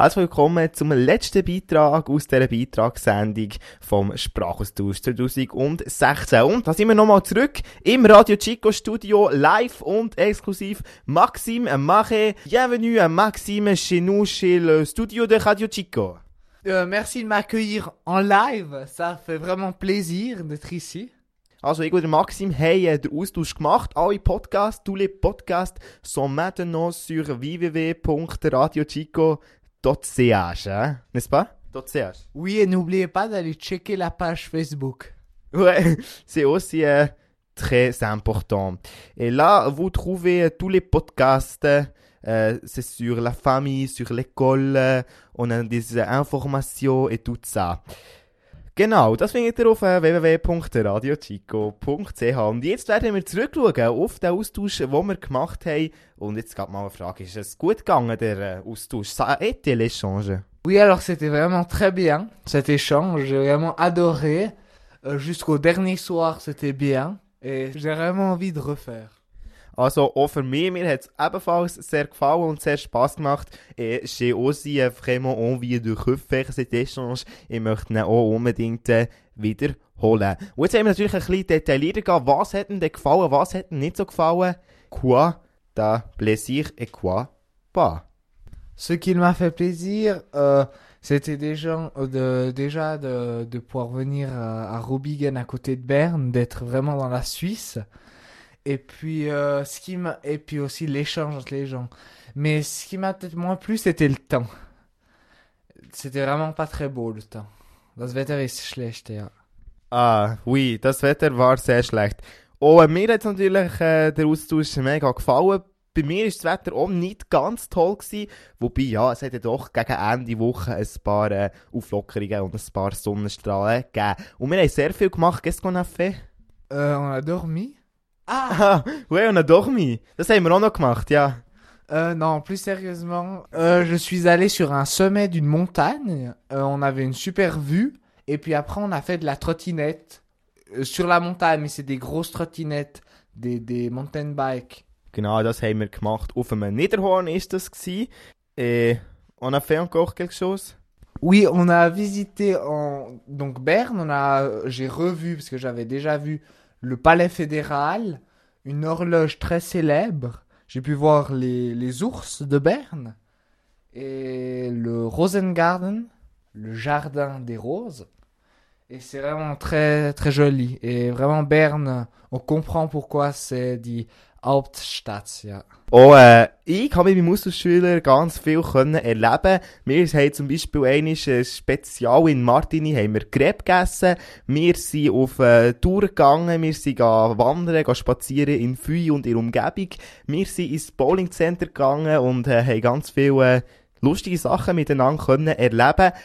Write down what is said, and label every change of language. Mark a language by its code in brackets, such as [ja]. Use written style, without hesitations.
[de] Herzlich willkommen zum letzten Beitrag aus dieser Beitragssendung vom Sprachaustausch 2016. Und da sind wir nochmal zurück im Radio Chico Studio, live und exklusiv. [fr] Maxime Mache, bienvenue à Maxime chez nous, chez le studio de Radio Chico. Merci de m'accueillir en live, ça fait vraiment plaisir d'être ici. [de] Also ich und Maxime haben den Austausch gemacht. Alle Podcasts, [fr] tous les Podcasts sont maintenant sur www.radiochico.com. .ch, n'est-ce pas? .ch. Oui, et n'oubliez pas d'aller checker la page Facebook. Ouais, c'est aussi très important. Et là, vous trouvez tous les podcasts. C'est sur la famille, sur l'école. On a des informations et tout ça. [de] Genau, das findet ihr auf www.radiochico.ch. Und jetzt werden wir zurückschauen auf den Austausch, den wir gemacht haben. Und jetzt gab mal eine Frage, ist es gut gegangen, der Austausch? [fr] Ça a été l'échange? Oui, alors c'était vraiment très bien, cet échange. J'ai vraiment adoré. Jusqu'au dernier soir, c'était bien. Et j'ai vraiment envie de refaire. [de] Also auch für mich, mir hat es ebenfalls sehr gefallen und sehr Spass gemacht. [fr] J'ai aussi vraiment envie de refaire cet échange. [de] Ich möchte ihn auch unbedingt wiederholen. Und jetzt haben wir natürlich ein bisschen detaillierter gehabt. Was hat denn gefallen, was hat nicht so gefallen? [fr] Quoi da plaisir et quoi pas? Ce qui m'a fait plaisir, c'était déjà de pouvoir venir à Rubigen à côté de Berne, d'être vraiment dans la Suisse. Et puis, aussi l'échange entre les gens. Mais ce qui m'a peut-être moins plu, c'était le temps. C'était vraiment pas très beau, le temps. [de] Das Wetter ist schlecht, ja. [fr] Ah, oui, [de] das Wetter war sehr schlecht. Oh, mir hat natürlich der Austausch mega gefallen. Bei mir war das Wetter auch nicht ganz toll gewesen. Wobei, ja, es hat ja doch gegen Ende Woche ein paar Auflockerungen und ein paar Sonnenstrahlen gegeben. Und wir haben sehr viel gemacht. Gestern auf fait? [fr] On a dormi. Ah, ouais, on a dormi. Das haben wir auch noch gemacht, ja. Non, plus sérieusement, je suis allé sur un sommet d'une montagne. On avait une super vue. Et puis après, on a fait de la trottinette sur la montagne. Mais c'est des grosses trottinettes, des mountain bikes. [de] Genau, das haben wir gemacht. Auf einem Niederhorn ist das gsi. [fr] Et on a fait encore quelque chose? Oui, on a visité donc Berne. J'ai revu, parce que j'avais déjà vu... Le palais fédéral, une horloge très célèbre. J'ai pu voir les ours de Berne et le Rosengarten, le jardin des roses. Et c'est vraiment très, très joli. Et vraiment, Berne, on comprend pourquoi c'est dit [de] Hauptstadt, ja. Oh, ich habe mit meinem Austauschschüler ganz viel können erleben. Wir haben zum Beispiel einmal speziell in Martini haben wir Crepe gegessen. Wir sind auf Tour gegangen. Wir sind gehen spazieren in Fuy und ihrer Umgebung. Wir sind ins Bowling Center gegangen und haben ganz viele lustige Sachen miteinander können erleben.